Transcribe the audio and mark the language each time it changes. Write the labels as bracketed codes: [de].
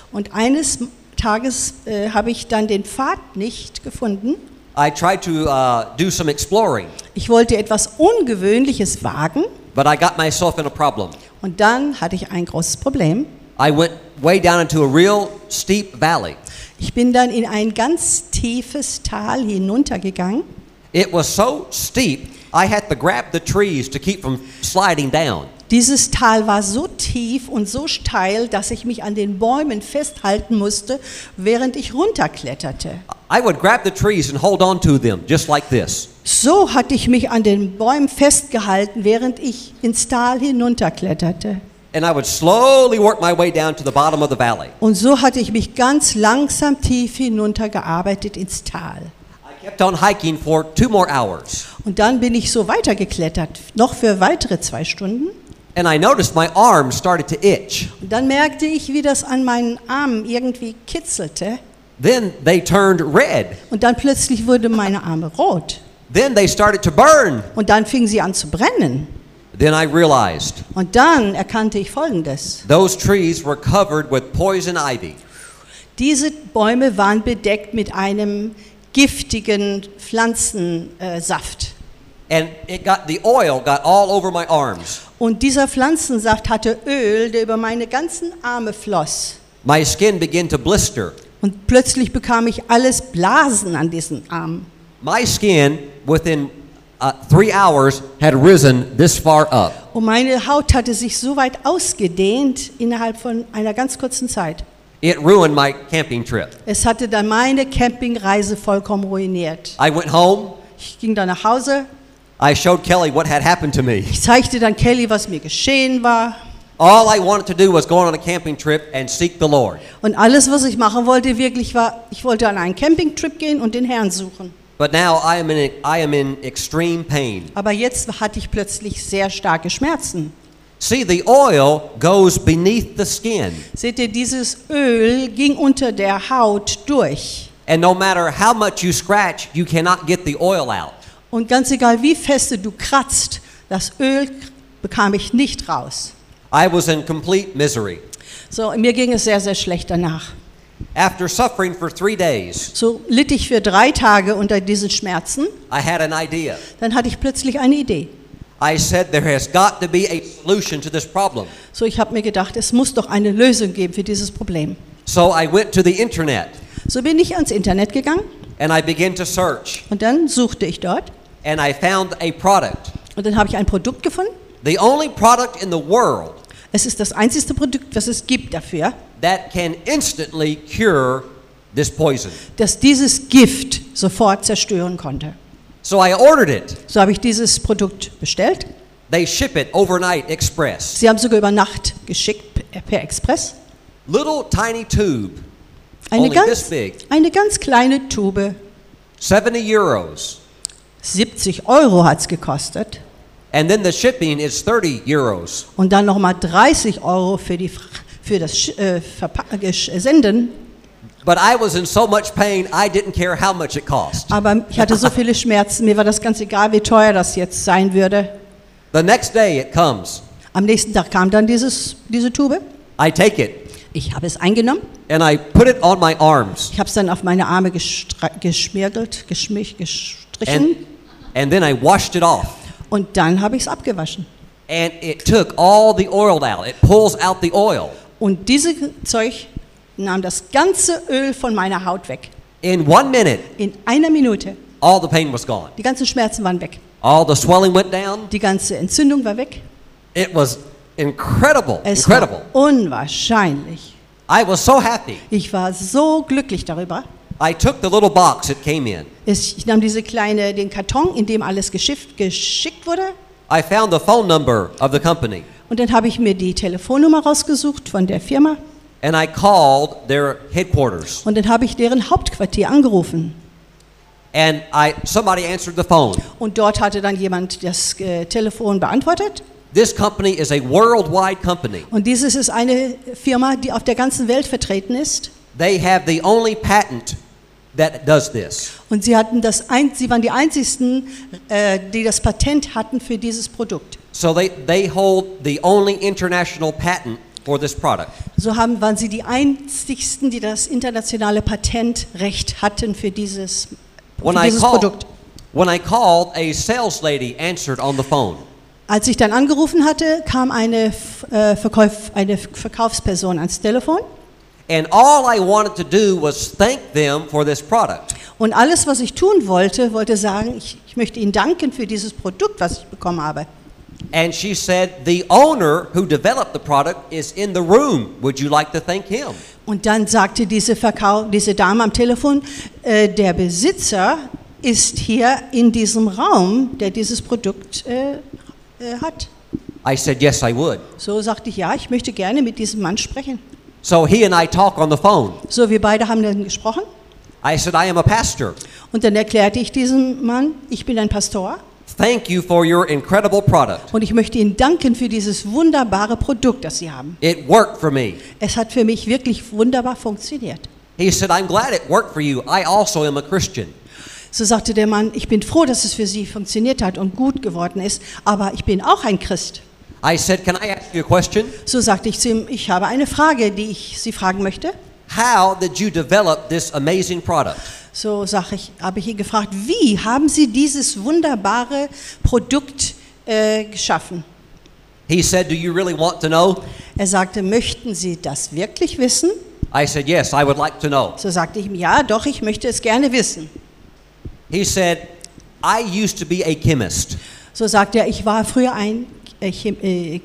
[de] Und eines Tages habe ich dann den Pfad nicht gefunden. [en] I tried to do some exploring. [de] Ich wollte etwas Ungewöhnliches wagen. [en] But I got myself in a problem. [de] Und dann hatte ich ein großes Problem. [en] I went way down into a real steep valley. [de] Ich bin dann in ein ganz tiefes Tal hinuntergegangen. [en] It was so steep. I had to grab the trees to keep from sliding down. [de] Dieses Tal war so tief und so steil, dass ich mich an den Bäumen festhalten musste, während ich runterkletterte. [en] I would grab the trees and hold on to them just like this. [de] So hatte ich mich an den Bäumen festgehalten, während ich ins Tal hinunterkletterte. [en] And I would slowly work my way down to the bottom of the valley. [de] Und so hatte ich mich ganz langsam tief hinuntergearbeitet ins Tal. [en] I kept on hiking for 2 more hours. [de] Und dann bin ich so weiter geklettert, noch für weitere 2 Stunden. [en] And I noticed my arm started to itch. [de] Und dann merkte ich, wie das an meinen Armen irgendwie kitzelte. [en] Then they turned red. [de] Und dann plötzlich wurden meine Arme rot. [en] Then they started to burn. [de] Und dann fingen sie an zu brennen. [en] Then I realized. [de] Und dann erkannte ich Folgendes. [en] Those trees were covered with poison ivy. [de] Diese Bäume waren bedeckt mit einem giftigen Pflanzensaft. [en] And it got, the oil got all over my arms. [de] Und dieser Pflanzensaft hatte Öl, der über meine ganzen Arme floss. [en] My skin began to blister. [de] Und plötzlich bekam ich alles Blasen an diesen Armen. [en] My skin within 3 hours had risen this far up. [de] Und meine Haut hatte sich so weit ausgedehnt innerhalb von einer ganz kurzen Zeit. [en] It ruined my camping trip. [de] Es hatte dann meine Campingreise vollkommen ruiniert. [en] I went home. [de] Ich ging dann nach Hause. [en] I showed Kelly what had happened to me. [de] Ich zeigte dann Kelly, was mir geschehen war. [en] All I wanted to do was go on a camping trip and seek the Lord. [de] Und alles, was ich machen wollte, wirklich war, ich wollte an einen Campingtrip gehen und den Herrn suchen. [en] But now I am in extreme pain. [de] Aber jetzt hatte ich plötzlich sehr starke Schmerzen. [en] See, the oil goes beneath the skin. [de] Seht ihr, dieses Öl ging unter der Haut durch. [en] And no matter how much you scratch, you cannot get the oil out. [de] Und ganz egal wie feste du kratzt, das Öl bekam ich nicht raus. [en] I was in complete misery. [de] So, mir ging es sehr, sehr schlecht danach. [en] After suffering for 3 days, [de] so litt ich für 3 Tage unter diesen Schmerzen. [en] I had an idea. [de] Dann hatte ich plötzlich eine Idee. [en] I said there has got to be a solution to this problem. [de] So ich habe mir gedacht, es muss doch eine Lösung geben für dieses Problem. [en] So I went to the internet. [de] So bin ich ans Internet gegangen. [en] And I began to search. [de] Und dann suchte ich dort. [en] And I found a product. [de] Und dann habe ich ein Produkt gefunden. [en] The only product in the world. [de] Es ist das einzigste Produkt, was es gibt dafür. [en] That can instantly cure this poison. [de] Das dieses Gift sofort zerstören konnte. [en] So I ordered it. [de] So habe ich dieses Produkt bestellt. [en] They ship it overnight express. [de] Sie haben sogar über Nacht geschickt per Express. [en] Little tiny tube. [de] Eine ganz kleine Tube. [en] 70 Euros. [de] 70 Euro hat's gekostet. [en] And then the shipping is 30 Euros. [de] Und dann nochmal 30 Euro für das Senden. [en] But I was in so much pain, I didn't care how much it cost. [de] Aber ich hatte so viele Schmerzen, mir war das ganz egal, wie teuer das jetzt sein würde. [en] The next day it comes. [de] Am nächsten Tag kam dann diese Tube. [en] I take it. [de] Ich habe es eingenommen. [en] And I put it on my arms. [de] Ich habe es dann auf meine Arme gestrichen. [en] And then I washed it off. Und dann habe ich es abgewaschen. And it took all the oil out. It pulls out the oil. [de] Und dieses Zeug nahm das ganze Öl von meiner Haut weg. [en] In 1 minute. [de] In einer Minute. [en] All the pain was gone. [de] Die ganzen Schmerzen waren weg. [en] All the swelling went down. [de] Die ganze Entzündung war weg. [en] It was incredible. [de] Es [en] incredible. [de] War unwahrscheinlich. [en] I was so happy. [de] Ich war so glücklich darüber. [en] I took the little box it came in. [de] Ich nahm diese kleine, den Karton, in dem alles geschickt wurde. [en] I found the phone number of the company. [de] Und dann habe ich mir die Telefonnummer rausgesucht von der Firma. [en] And I called their headquarters. [de] Und dann habe ich deren Hauptquartier angerufen. [en] And somebody answered the phone. [de] Und dort hatte dann jemand das Telefon beantwortet. [en] This company is a worldwide company. [de] Und dieses ist eine Firma, die auf der ganzen Welt vertreten ist. [en] They have the only patent that does this. [de] Und sie hatten sie waren die einzigen, die das Patent hatten für dieses Produkt. [en] So they hold the only international patent for this product. [de] So waren sie die einzigsten, die das internationale Patentrecht hatten für dieses Produkt. [en] When I called, a sales lady answered on the phone. [de] Als ich dann angerufen hatte, kam eine Verkaufsperson ans Telefon. [en] And all I wanted to do was thank them for this product. [de] Und alles, was ich tun wollte, wollte sagen, ich möchte ihnen danken für dieses Produkt, was ich bekommen habe. [en] And she said, the owner who developed the product is in the room. Would you like to thank him? [de] Und dann sagte diese Dame am Telefon, der Besitzer ist hier in diesem Raum, der dieses Produkt hat. [en] I said, yes, I would. [de] So sagte ich, ja, ich möchte gerne mit diesem Mann sprechen. [en] So he and I talk on the phone. [de] So wir beide haben dann gesprochen. [en] I said, I am a pastor. [de] Und dann erklärte ich diesem Mann, ich bin ein Pastor. [en] Thank you for your incredible product. [de] Und ich möchte Ihnen danken für dieses wunderbare Produkt, das Sie haben. [en] It worked for me. [de] Es hat für mich wirklich wunderbar funktioniert. [en] He said, I'm glad it worked for you. I also am a Christian. [de] So sagte der Mann, ich bin froh, dass es für Sie funktioniert hat und gut geworden ist, aber ich bin auch ein Christ. [en] I said, can I ask you a question? [de] So sagte ich zu ihm, ich habe eine Frage, die ich Sie fragen möchte. [en] How did you develop this amazing product? [de] So habe ich ihn gefragt, wie haben Sie dieses wunderbare Produkt geschaffen? [en] He said, do you really want to know? [de] Er sagte, möchten Sie das wirklich wissen? [en] I said, yes, I would like to know. [de] So sagte ich ihm, ja, doch, ich möchte es gerne wissen. [en] He said, I used to be a chemist. [de] So sagte er, ich war früher ein Chemiker.